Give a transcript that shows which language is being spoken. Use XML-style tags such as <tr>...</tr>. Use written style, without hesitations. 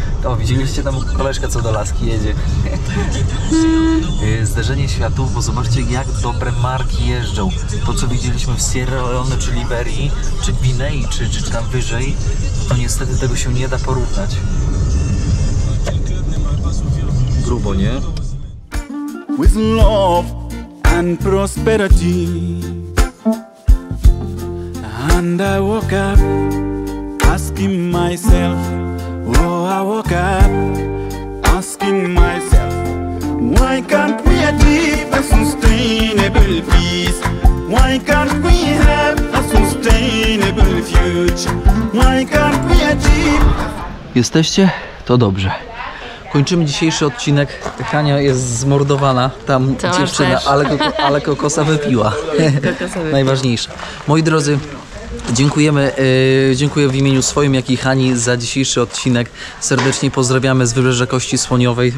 <pl>O, widzieliście tam koleżkę, co do laski jedzie. Zderzenie światów, bo zobaczcie, jak dobre marki jeżdżą. To, co widzieliśmy w Sierra Leone, czy Liberii, czy Gwinei, czy tam wyżej, to niestety tego się nie da porównać. Grubo, nie?</pl> <en>With love and prosperity and I woke up asking myself. Oh, I woke up asking myself, why can't we achieve a sustainable peace? Why can't we have a sustainable future? Why can't we achieve?</en> <pl>Jesteście? To dobrze. Kończymy dzisiejszy odcinek. Hania jest zmordowana, tam to dziewczyna, ale kokosa wypiła. Najważniejsze. Moi drodzy, Dziękujemy. Dziękuję w imieniu swoim, jak i Hani za dzisiejszy odcinek. Serdecznie pozdrawiamy z Wybrzeża Kości Słoniowej.</pl>